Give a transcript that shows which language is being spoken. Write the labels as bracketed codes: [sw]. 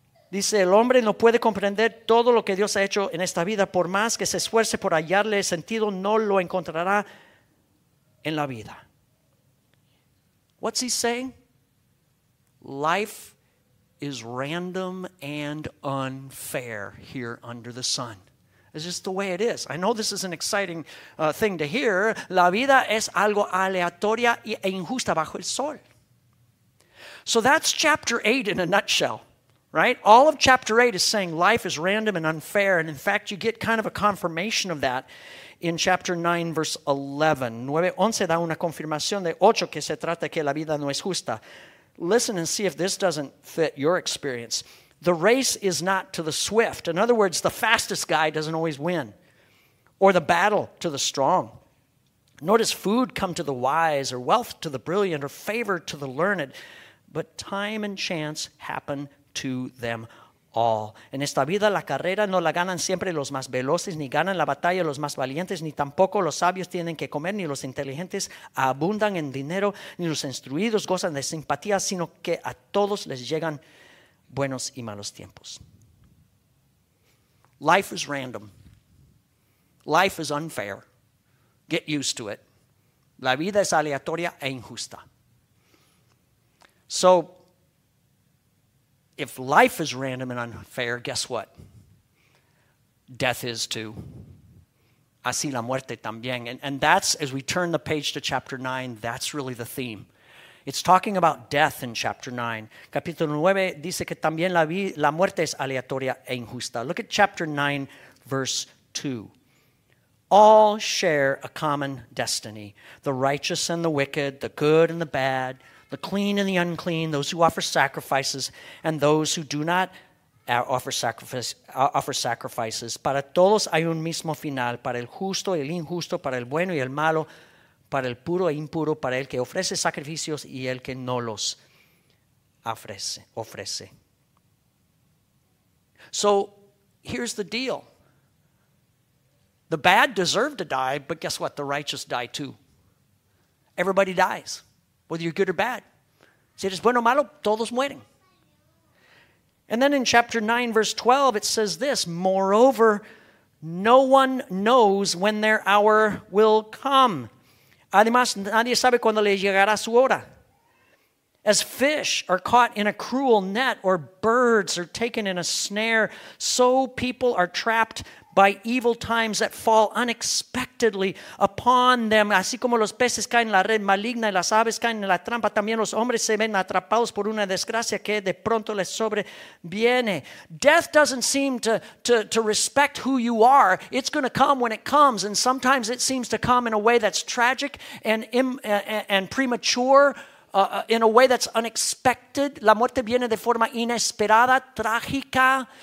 [es] Dice, el hombre no puede comprender todo lo que Dios ha hecho en esta vida. Por más que se esfuerce por hallarle sentido, no lo encontrará en la vida. [en] What's he saying? Life is random and unfair here under the sun. It's just the way it is. I know this is an exciting thing to hear. [es] La vida es algo aleatoria e injusta bajo el sol. [en] So that's chapter 8 in a nutshell. Right? All of chapter 8 is saying life is random and unfair. And in fact, you get kind of a confirmation of that in chapter 9, verse 11. [es] 9:11 da una confirmación de 8 que se trata que la vida no es justa. [en] Listen and see if this doesn't fit your experience. The race is not to the swift. In other words, the fastest guy doesn't always win. Or the battle to the strong. Nor does food come to the wise, or wealth to the brilliant, or favor to the learned. But time and chance happen to them all. [es] En esta vida la carrera no la ganan siempre los más veloces, ni ganan la batalla los más valientes, ni tampoco los sabios tienen que comer, ni los inteligentes abundan en dinero, ni los instruidos gozan de simpatía, sino que a todos les llegan buenos y malos tiempos. [en] Life is random. Life is unfair. Get used to it. [es] La vida es aleatoria e injusta. [en] So, if life is random and unfair, guess what? Death is too. [es] Así la muerte también. [en] And that's, as we turn the page to chapter 9, that's really the theme. It's talking about death in chapter 9. [es] Capítulo 9 dice que también la muerte es aleatoria e injusta. [en] Look at chapter 9, verse 2. All share a common destiny. The righteous and the wicked, the good and the bad, the clean and the unclean, those who offer sacrifices, and those who do not offer sacrifices. [es] Para todos hay un mismo final, para el justo y el injusto, para el bueno y el malo, para el puro e impuro, para el que ofrece sacrificios y el que no los ofrece. [en] So, here's the deal. The bad deserve to die, but guess what? The righteous die too. Everybody dies, whether you're good or bad. [es] Si eres bueno o malo, todos mueren. [en] And then in chapter 9, verse 12, it says this, moreover, no one knows when their hour will come. [es] Además, nadie sabe cuándo le llegará su hora. [en] As fish are caught in a cruel net or birds are taken in a snare, so people are trapped by evil times that fall unexpectedly upon them. [es] Así como los peces caen en la red maligna y las aves caen en la trampa, también los hombres se ven atrapados por una desgracia que de pronto les sobreviene. [en] Death doesn't seem to respect who you are. It's going to come when it comes, and sometimes it seems to come in a way that's tragic and premature, in a way that's unexpected. [es] La muerte viene de forma inesperada, trágica.